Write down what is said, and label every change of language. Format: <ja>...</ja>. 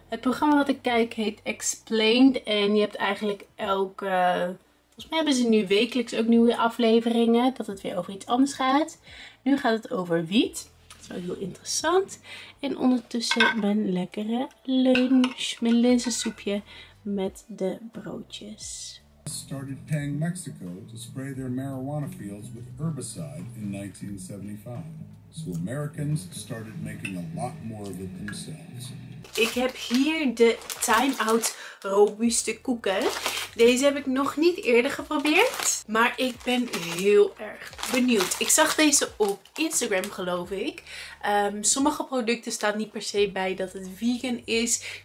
<nl>Het programma dat ik kijk heet Explained. En je hebt eigenlijk elke... Volgens mij hebben ze nu wekelijks ook nieuwe afleveringen. Dat het weer over iets anders gaat. Nu gaat het over wiet. Dat is wel heel interessant. En ondertussen mijn lekkere lunch. Mijn linzensoepje met de broodjes.</nl> <en>Started paying Mexico to spray their marijuana fields with herbicide in 1975. So Americans started making a lot more of it themselves.</en> <nl>Ik heb hier de Time Out robuuste koeken. Deze heb ik nog niet eerder geprobeerd. Maar ik ben heel erg benieuwd. Ik zag deze op Instagram, geloof ik. Sommige producten staan niet per se bij dat het vegan is.</nl>